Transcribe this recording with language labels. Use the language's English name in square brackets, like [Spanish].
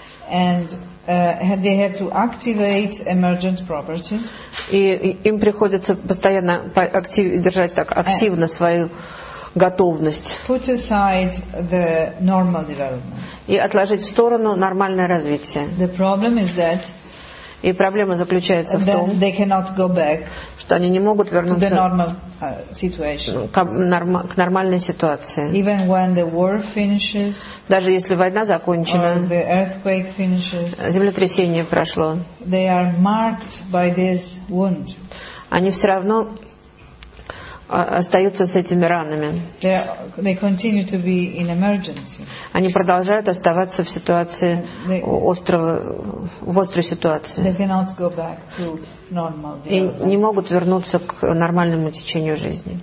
[English] And they have to activate emergent properties. [Russian] И им приходится постоянно держать так активно свою готовность. [English] Put aside the normal development. [Russian] И отложить в сторону нормальное развитие. [English] The problem is that [Russian] И проблема заключается в том, [English] they cannot go back, [Russian] что они не могут вернуться [English] to the normal situation. [Russian] К нормальной ситуации. [English] Even when the war finishes, [Russian] даже если война закончена, [English] or the earthquake finishes, [Russian] землетрясение прошло, [English] they are marked by this wound. [Russian] Они все равно остаются с этими ранами. [English] They continue to be in emergency. [Russian] Они продолжают оставаться в ситуации острой ситуации. [English] They cannot go back to normal. [Russian] И не могут вернуться к нормальному течению жизни.